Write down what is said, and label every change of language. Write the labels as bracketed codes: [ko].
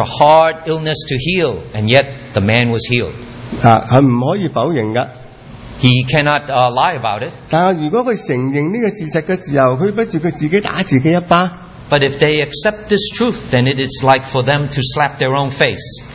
[en] a hard illness to heal, and yet the man was healed. [yue] 啊，佢唔可以否认噶。 [en] He cannot lie about it. [yue] 但系如果佢承认呢个事实嘅时候，佢不如佢自己打自己一巴。 [en] But if they accept this truth, then it is like for them to slap their own face.